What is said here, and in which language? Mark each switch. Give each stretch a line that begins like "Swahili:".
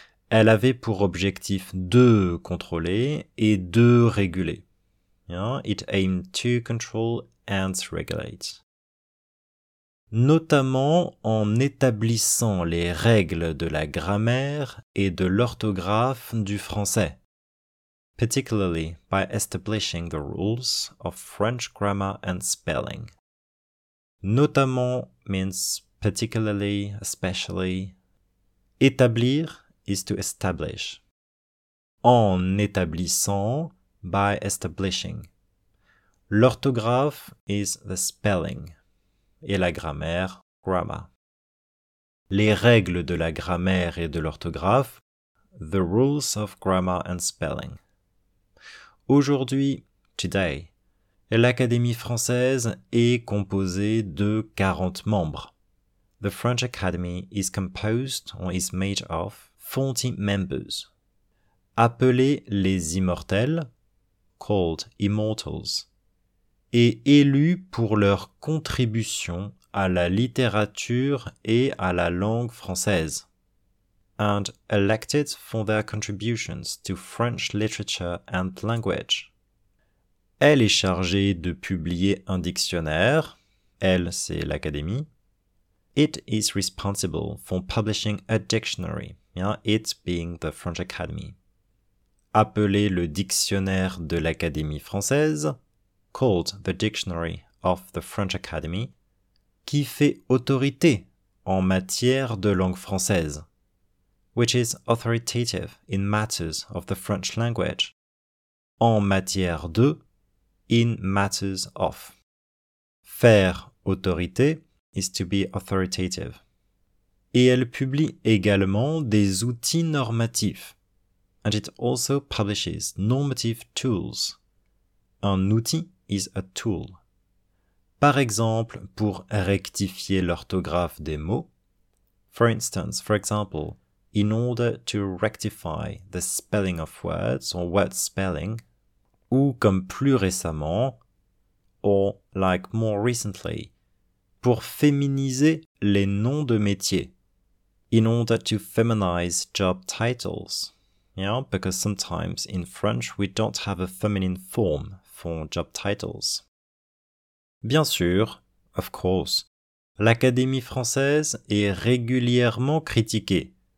French: Elle avait pour objectif de contrôler et de réguler.
English: Yeah. It aimed to control and regulate.
French: Notamment en établissant les règles de la grammaire et de l'orthographe du français.
English: Particularly by establishing the rules of French grammar and spelling. Notamment means particularly, especially. Établir is to establish.
French: En établissant,
English: by establishing. L'orthographe is the spelling.
French: Et la grammaire,
English: grammar.
French: Les règles de la grammaire et de l'orthographe,
English: the rules of grammar and spelling.
French: Aujourd'hui,
English: today,
French: l'Académie française est composée de 40 membres.
English: The French Academy is composed or is made of 40 members.
French: Appelés les immortels,
English: called immortals,
French: et élus pour leur contribution à la littérature et à la langue française.
English: And elected for their contributions to French literature and language.
French: Elle est chargée de publier un dictionnaire. Elle, c'est l'Académie.
English: It is responsible for publishing a dictionary. Yeah, it being the French Academy.
French: Appelé le dictionnaire de l'Académie française.
English: Called the Dictionary of the French Academy,
French: qui fait autorité en matière de langue française,
English: which is authoritative in matters of the French language,
French: en matière de,
English: in matters of.
French: Faire autorité
English: is to be authoritative.
French: Et elle publie également des outils normatifs.
English: And it also publishes normative tools.
French: Un outil
English: is a tool.
French: Par exemple, pour rectifier l'orthographe des mots.
English: For instance, for example, in order to rectify the spelling of words or word spelling.
French: Ou comme plus récemment,
English: or like more recently,
French: pour féminiser les noms de métiers.
English: In order to feminize job titles. Yeah, because sometimes in French we don't have a feminine form for job titles.
French: Bien sûr,
English: of course,
French: l'Académie française est régulièrement critiquée.